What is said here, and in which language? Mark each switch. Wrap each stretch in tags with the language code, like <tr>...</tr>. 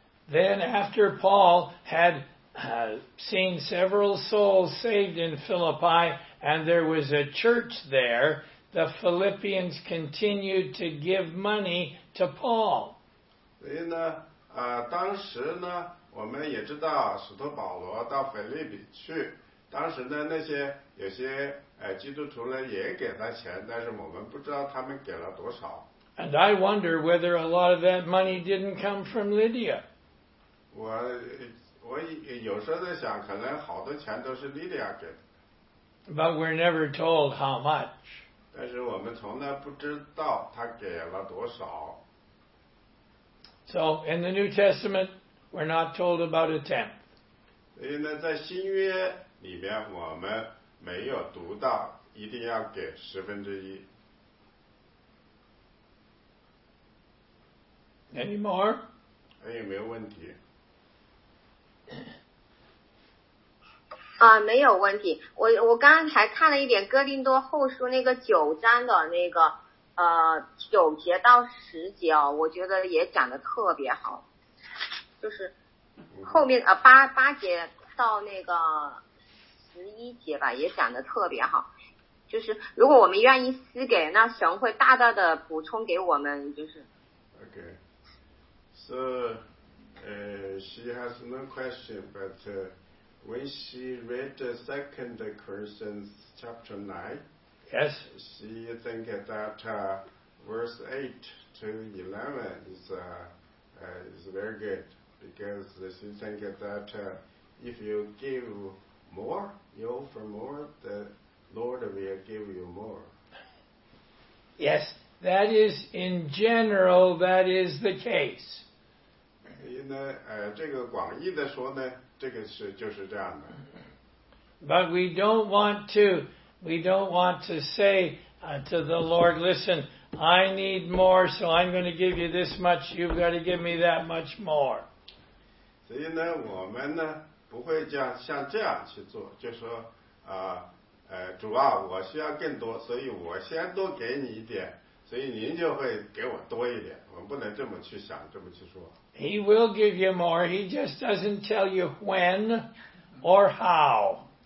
<en>Then after Paul had seen several souls saved in Philippi and there was a church there, the Philippians continued to give money to Paul.</en> <zh>所以呢，当时呢，我们也知道使徒保罗到腓立比去，当时呢，那些有些基督徒呢也给他钱，但是我们不知道他们给了多少。</zh> <en>And I wonder whether a lot of that money didn't come from Lydia.</en> <zh>我有时候在想，可能好多钱都是 Lydia 给的。</zh> <en>But we're never told how much.</en> <zh>但是我们从来不知道他给了多少。</zh> <en>So in the New Testament, we're not told about a tenth.</en> <zh>所以呢，在新约里面我们没有读到一定要给十分之一。</zh> <en>Any more?</en> <zh>还有没有问题？没有问题。我刚才看了一点哥林多后书那个九章的那个九节到十节哦，我觉得也讲得特别好，就是后面八节到那个十一节吧，也讲得特别好。就是如果我们愿意施给，那神会大大的补充给我们。就是</zh> <en>OK, so she has no question, but when she read the second Corinthians chapter 9, yes, she think that verse 8-11 is very good, because she think that if you give more, you owe for more, the Lord will give you more. Yes, that is, in general, that is the case.</en> <zh>这个广义的说呢, 这个是, 就是这样的。</zh> <en>But we don't want to say to the Lord, listen, I need more, so I'm going to give you this much, you've got to give me that much more.</en> <zh>所以呢, 我们呢, 不会像这样去做, 就说, 主啊, 我需要更多, 所以我先多给你一点, 所以您就会给我多一点, 我们不能这么去想, 这么去说。</zh> <en>He will give you more, he just doesn't tell you when or how.</en>